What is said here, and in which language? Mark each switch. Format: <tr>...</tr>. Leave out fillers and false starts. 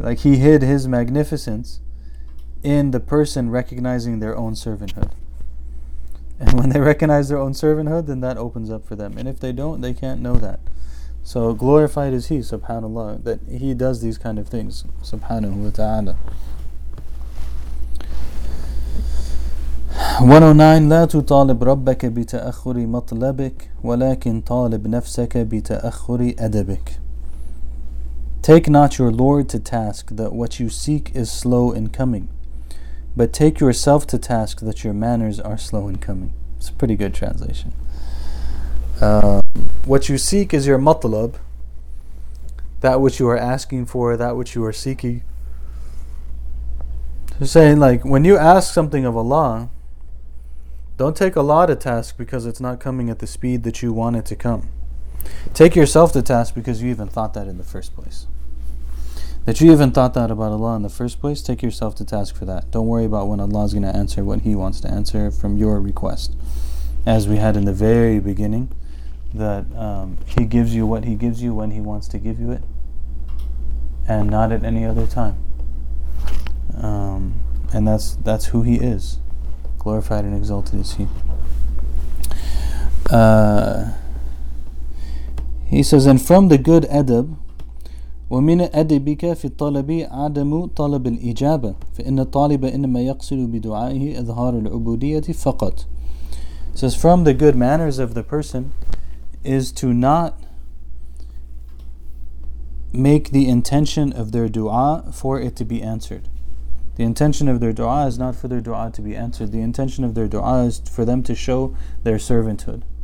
<en>Like He hid His magnificence in the person recognizing their own servanthood. And when they recognize their own servanthood, then that opens up for them. And if they don't, they can't know that. So glorified is He, subhanAllah, that He does these kind of things, subhanahu wa ta'ala.</en> <ar>109 لا تطالب ربك بتأخر مطلبك ولكن طالب نفسك بتأخر أدبك.</ar> <en>Take not your Lord to task that what you seek is slow in coming, but take yourself to task that your manners are slow in coming. It's a pretty good translation. What you seek is your matlab, that which you are asking for, that which you are seeking. So saying, like, when you ask something of Allah, don't take Allah to task because it's not coming at the speed that you want it to come. Take yourself to task because you even thought that in the first place. That you even thought that about Allah in the first place, take yourself to task for that. Don't worry about when Allah is going to answer what He wants to answer from your request. As we had in the very beginning, that He gives you what He gives you when He wants to give you it, and not at any other time. And that's who He is. Glorified and exalted is He. He says, and from the good adab,</en> <ar>وَمِنَ أَدِبِكَ فِي الطَّلَبِ عَدَمُ طَلَبِ الْإِجَابَةِ فَإِنَّ الطَّالِبَ إِنَّمَا يَقْصِدُ بِدُعَائِهِ إِظْهَارُ الْعُبُودِيَةِ فَقَطْ.</ar> <en>Says, from the good manners of the person is to not make the intention of their dua for it to be answered. The intention of their dua is not for their dua to be answered. The intention of their dua is for them to show their servanthood.</en>